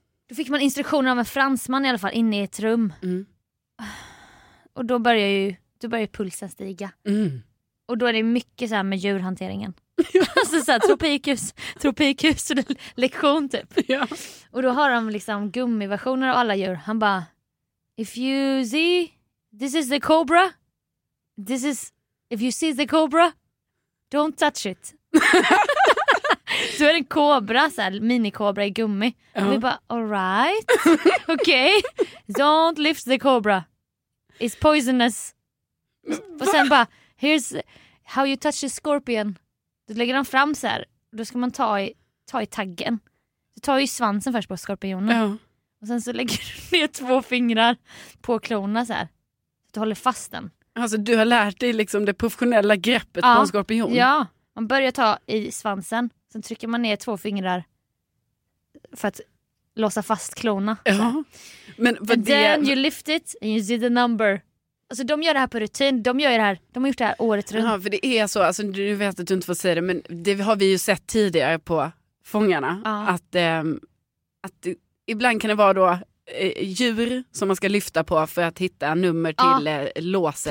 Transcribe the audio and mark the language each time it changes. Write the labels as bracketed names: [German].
[Swedish] Då fick man instruktioner av en fransman i alla fall, inne i ett rum. Mm. Och då började pulsen stiga. Mm. Och då är det mycket så här med djurhanteringen. Alltså såhär, tropikus och lektion typ. Ja. Och då har de liksom gummiversioner av alla djur. Han bara, [English] if you see the cobra, don't touch it. [Swedish] Så är det en kobra, såhär, minikobra i gummi. Och vi bara, [English] all right, okej, okay. Don't lift the cobra, it's poisonous. [Swedish] Och sen bara, [English] here's how you touch a scorpion. [Swedish] Då lägger han fram så här. Då ska man ta i taggen. Du tar ju svansen först på skorpionen. Ja. Och sen så lägger du ner 2 fingrar på klorna så här. Så du håller fast den. Alltså du har lärt dig liksom det professionella greppet på en skorpion. Ja, man börjar ta i svansen. Sen trycker man ner 2 fingrar för att låsa fast klorna. Ja. Men [English] and then you lift it and you see the number. [Swedish] Alltså de gör det här på rutin, de har gjort det här året runt. Ja, för det är så, alltså, du vet att du inte får säga det, men det har vi ju sett tidigare på fångarna. Ja. Att ibland kan det vara då djur som man ska lyfta på för att hitta nummer till låset.